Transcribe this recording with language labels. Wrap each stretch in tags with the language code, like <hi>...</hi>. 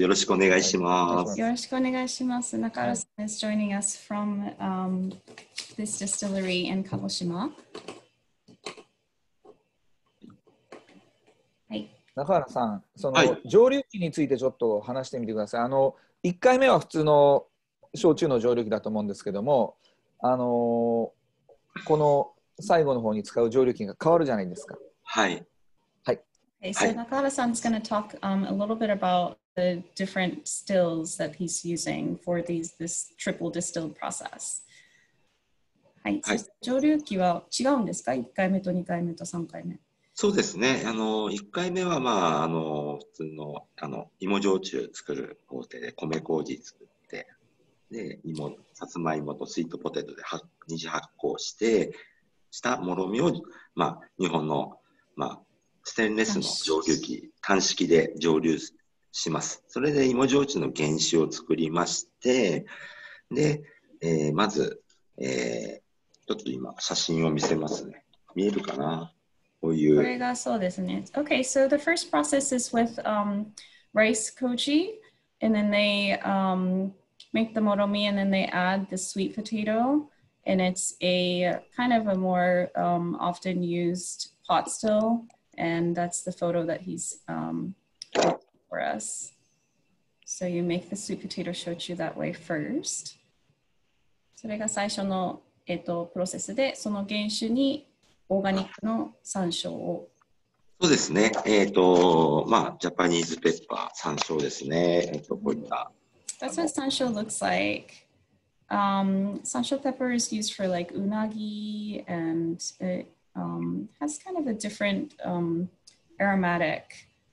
<ja>よろしくお願いします。よろしくお願いします。</ja> <en>中原さん is joining us from this distillery in Kagoshima.</en> <ja>はい。中原さん、その、はい、蒸留機についてちょっと話してみてください。 1回目は普通の焼酎の蒸留機だと思うんですけども、この最後の方に使う蒸留機が変わるじゃないですか。はい。</ja> <en>Okay, so Nakahara-san is going to talk a little bit about the different stills that he's using for this triple distilled process.</en> <ja>はい。はい。蒸留機は違うんですか ?1 回目と2回目と3回目。そうですね。 1回目は、まあ、普通の、芋焼酎作る工程で米麹作って、で、芋、さつまいもとスイートポテトで二次発酵して、したもろみを、まあ、日本の、まあ、ステンレスの蒸留機、乾式で蒸留します。それで芋焼酎の原酒を作りまして、で、まず、ちょっと今写真を見せますね。見えるかな？こういう。これがそうですね。</ja> <en>Okay, so the first process is with rice koji, and then they make the moromi, and then they add the sweet potato, and it's a kind of a more often used pot still. And that's the photo that he's for us. So you make the sweet potato shochu that way first.</en> <ja>それが最初の、プロセスで、その原酒にオーガニックの山椒を。そうですね。まあ、ジャパニーズペッパー、山椒ですね。こういった。</ja> <en>That's what 山椒 looks like. 山椒 pepper is used for like unagi and has kind of a different aromatic.</en>